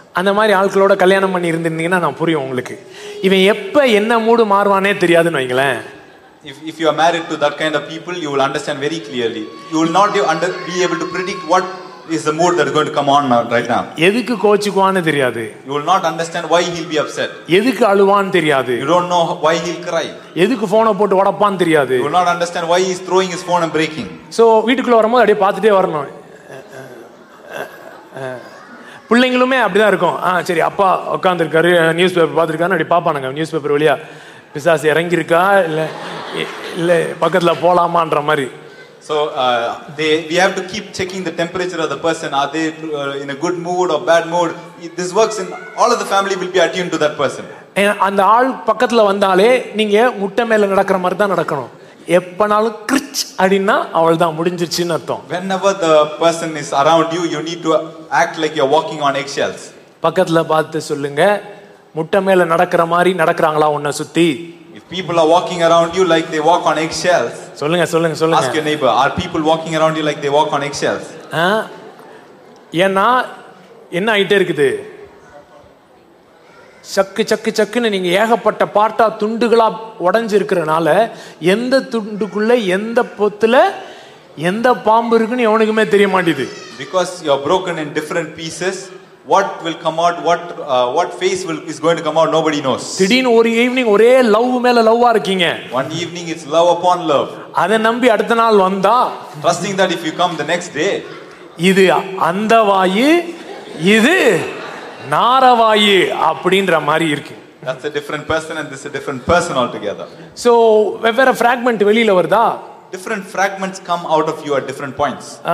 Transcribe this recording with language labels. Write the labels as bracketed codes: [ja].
[ta] அந்த மாதிரி ஆட்களோட கல்யாணம் பண்ணி இருந்திருந்தீங்கன்னா நான் புரியும் உங்களுக்கு, இவன் எப்ப என்ன மூடு மாறுவானே தெரியாதுன்னு வைங்களேன். [en] If you are married to that kind of people, you will understand very clearly. You will not be able to predict what is the mood that is going to come on right now. [ta] எதுக்கு கோச்சுக்குவானே தெரியாது. [en] You will not understand why he'll be upset. [ta] எதுக்கு அழுவான் தெரியாது. [en] You don't know why he'll cry. [ta] எதுக்கு போனை போட்டு உடப்பான் தெரியாது. [en] You will not understand why he's throwing his phone and breaking. [ta] So வீட்டுக்குள்ள வரும்போது அப்படியே பார்த்துட்டே வரணும். பிள்ளைங்களுமே அப்படிதான் இருக்கும். ஆ சரி, அப்பா உட்காந்துருக்காரு, நியூஸ் பேப்பர் பார்த்துருக்காரு, அப்படி பார்ப்பானுங்க. நியூஸ் பேப்பர் வழியா பிசாசு இறங்கியிருக்கா இல்லை பக்கத்தில் போகலாமான்ற மாதிரி. [en] So we have to keep checking the temperature of the person. Are they in a good mood or bad mood? This works in all of the family will be attuned to that person. [ta] அந்த ஆள் பக்கத்தில் வந்தாலே நீங்க முட்டை மேல நடக்கிற மாதிரி தான் நடக்கணும். எப்பனாலும் கிரிச் அப்படின்னா அவள் தான் முடிஞ்சிருச்சுன்னு அர்த்தம். [en] Whenever the person is around you, you need to act like you're walking on eggshells. [ta] பக்கத்துல பார்த்து சொல்லுங்க, முட்டை மேல நடக்கிற மாதிரி நடக்கறங்களா உன்னை சுத்தி? [en] If people are walking around you like they walk on eggshells, [ta] சொல்லுங்க சொல்லுங்க சொல்லுங்க. [en] Ask your neighbor, are people walking around you like they walk on eggshells? [ta] ஏன்னா என்ன ஆயிட்டே இருக்குது, சக்கு சக்கு சக்குன்னு நீங்க ஏகப்பட்ட பார்ட்டா துண்டுகளா உடஞ்சிருக்கிறனால எந்த துண்டுக்குள்ள எந்த பொத்துல எந்த பாம்பு இருக்குன்னு எவனுக்குமே தெரிய மாட்டேது. [en] Because you are broken in different pieces, what will come out, what face will is going to come out, nobody knows. [ta] திடீர்னு ஒரு ஈவினிங் ஒரே லவ் மேல லவ்வா இருக்கீங்க. [en] One evening it's love upon love. [ta] அத நம்பி அடுத்த நாள் வந்தா, [en] trusting that if you come the next day, [ta] இது அந்த வாயு, இது நாரவாயு அப்படின்ற மாதிரி இருக்கு. [en] That's a different person and this is a different person altogether. [ta] So வெவ்வேற fragment வெளியில வருதா? [en] Different fragments come out of you at different points.